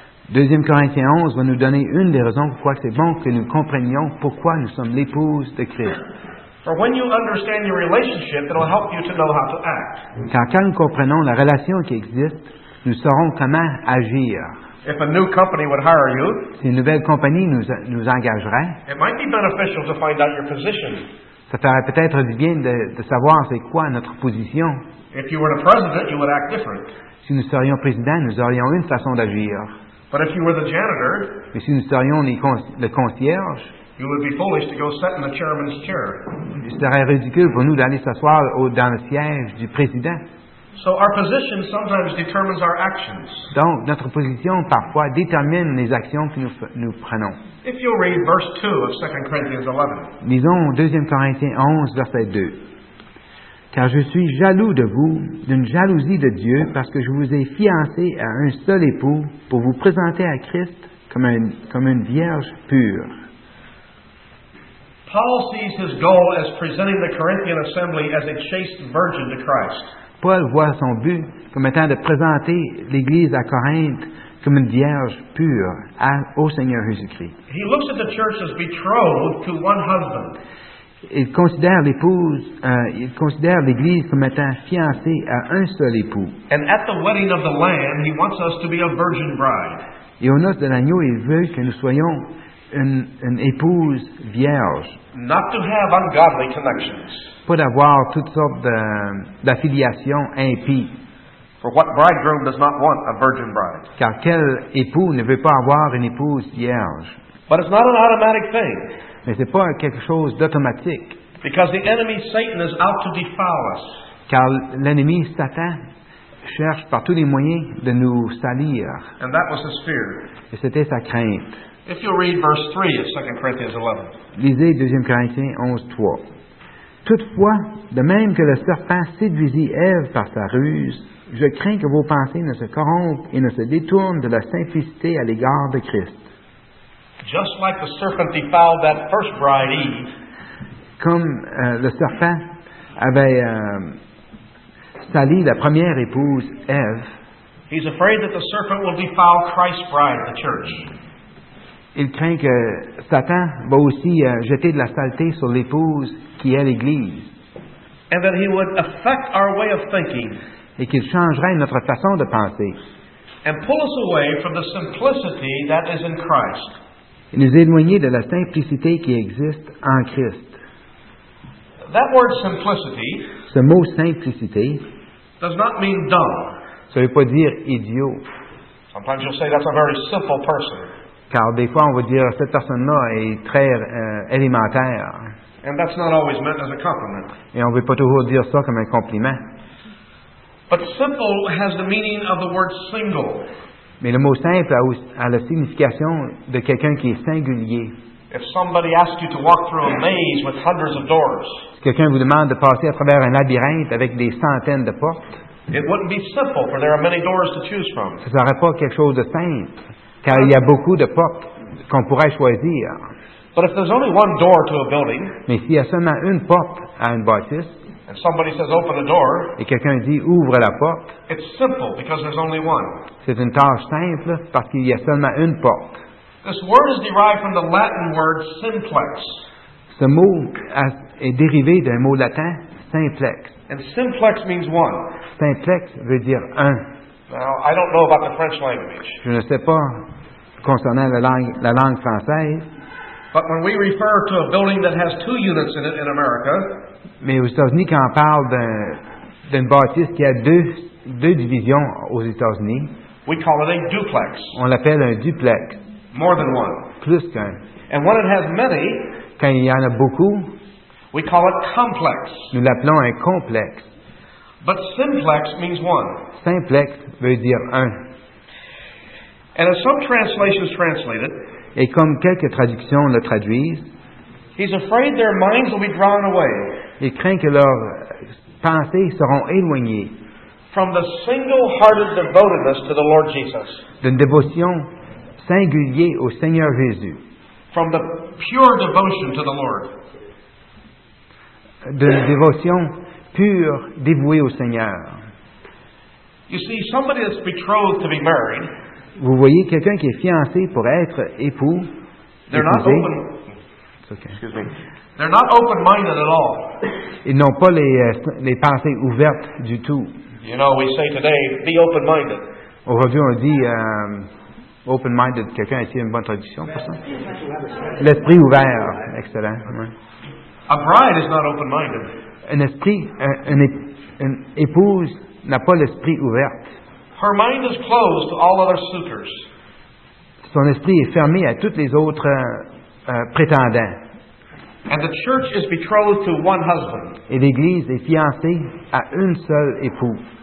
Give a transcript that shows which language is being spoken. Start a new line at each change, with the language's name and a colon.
French: Deuxième Corinthiens 11 va nous donner une des raisons pourquoi c'est bon que nous comprenions pourquoi nous sommes l'épouse de Christ.
English: For when you understand your relationship, it'll help you to know how to act.
French: Quand nous comprenons la relation qui existe, nous saurons comment agir.
English: If a new company would hire you,
French: si une nouvelle compagnie nous engagerait,
English: it might be beneficial to find out your position.
French: Ça ferait peut-être du bien de savoir c'est quoi notre position.
English: If you were the president, you would act different.
French: Si nous serions président, nous aurions une façon d'agir.
English: But if you were the janitor,
French: mais si nous serions le concierge,
English: you would be foolish to go sit in the chairman's chair.
French: Il serait ridicule pour nous d'aller s'asseoir dans le siège du président.
English: So our position sometimes determines our actions.
French: Donc notre position parfois détermine les actions que nous prenons.
English: If you'll read verse 2 of 2 Corinthians 11.
French: Lisons 2 Corinthiens 11, verset 2. Car je suis jaloux de vous, d'une jalousie de Dieu, parce que je vous ai fiancé à un seul époux pour vous présenter à Christ comme une vierge pure.
English: Paul sees his goal as presenting the Corinthian assembly as a chaste virgin to Christ.
French: Paul voit son but comme étant de présenter l'Église à Corinthe comme une vierge pure au Seigneur Jésus-Christ.
English: He looks at the church as betrothed to one husband.
French: Il considère l'Église comme étant fiancée à un seul époux.
English: And at the wedding of the Lamb, he wants us to be a virgin bride.
French: Et au noce de l'agneau, il veut que nous soyons une épouse vierge.
English: Not to have ungodly connections.
French: Pas d'avoir toutes sortes d'affiliations impies.
English: For what bridegroom does not want a virgin bride?
French: Car quel époux ne veut pas avoir une épouse vierge?
English: But it's not an automatic thing.
French: Mais ce n'est pas quelque chose d'automatique.
English: Because the enemy, Satan, is out to defile us.
French: Car l'ennemi Satan cherche par tous les moyens de nous salir.
English: And that was his fear.
French: Et c'était sa crainte.
English: If you'll read verse 3 of 2 Corinthians 11.
French: Lisez 2 Corinthiens 11, 3. Toutefois, de même que le serpent séduisit Ève par sa ruse, je crains que vos pensées ne se corrompent et ne se détournent de la simplicité à l'égard de Christ.
English: Just like the serpent defiled that first bride Eve.
French: Comme le serpent avait sali la première épouse Eve.
English: He's afraid that the serpent will defile Christ's bride, the church.
French: Il craint que Satan va aussi jeter de la saleté sur l'épouse qui est l'Église.
English: And that he would affect our way of thinking.
French: Et qu'il changerait notre façon de penser.
English: And pull us away from the simplicity that is in Christ.
French: Et nous éloigner de la simplicité qui existe en Christ.
English: That word simplicity,
French: ce mot simplicité,
English: does not mean dumb.
French: Ça ne veut pas dire idiot.
English: Sometimes you'll say that's a very simple person.
French: Car des fois on va dire cette personne-là est très élémentaire.
English: And that's not always meant as a compliment.
French: Et on ne veut pas toujours dire ça comme un compliment.
English: But simple has the meaning of the word single.
French: Mais le mot simple a la signification de quelqu'un qui est singulier.
English: If somebody asks you to walk through a maze with hundreds of doors,
French: si quelqu'un vous demande de passer à travers un labyrinthe avec des centaines de portes,
English: it wouldn't be simple, for there are many doors to choose from.
French: Ça ne serait pas quelque chose de simple, car il y a beaucoup de portes qu'on pourrait choisir.
English: But if there's only one door to a building,
French: mais s'il y a seulement une porte à une bâtisse,
English: and somebody says, "Open the door,"
French: et quelqu'un dit « ouvre la porte »,
English: it's simple because there's only one.
French: C'est une tâche simple parce qu'il y a seulement une porte.
English: This word is derived from the Latin word simplex.
French: Ce mot est dérivé d'un mot latin simplex.
English: And simplex means one.
French: Simplex veut dire un.
English: Now, I don't know about the French language.
French: Je ne sais pas concernant la langue française.
English: But when we refer to a building that has two units in it in America,
French: mais aux États-Unis, quand on parle d'une bâtisse qui a deux divisions aux États-Unis,
English: we call it a duplex.
French: On l'appelle un duplex.
English: More than one.
French: Plus qu'un.
English: And when it has many,
French: quand il y en a beaucoup,
English: we call it complex.
French: Nous l'appelons un complexe.
English: But simplex means one.
French: Simplex veut dire un.
English: And as some translations translate it,
French: et comme quelques traductions le traduisent,
English: he's afraid their minds will be drawn away.
French: Il craint que leurs pensées seront éloignées.
English: From the single-hearted devotedness to the Lord Jesus.
French: D'une dévotion singulière au Seigneur Jésus.
English: From the pure devotion to the Lord.
French: D'une dévotion pure dévouée au Seigneur.
English: You see, somebody that's betrothed to be married.
French: Vous voyez quelqu'un qui est fiancé pour être époux.
English: They're not open. Okay. Excuse me. They're not open-minded at all.
French: Ils n'ont pas les pensées ouvertes du tout.
English: You know, we say today, be open-minded.
French: Aujourd'hui, on dit open-minded. Quelqu'un a-t-il une bonne traduction pour ça? L'esprit ouvert, excellent. Ouais.
English: A bride is not open-minded.
French: Un esprit, une épouse n'a pas l'esprit ouvert.
English: Her mind is closed to all other suitors.
French: Son esprit est fermé à toutes les autres prétendants.
English: And the church is betrothed to one husband.
French: Et l'église est fiancée à une seule époux.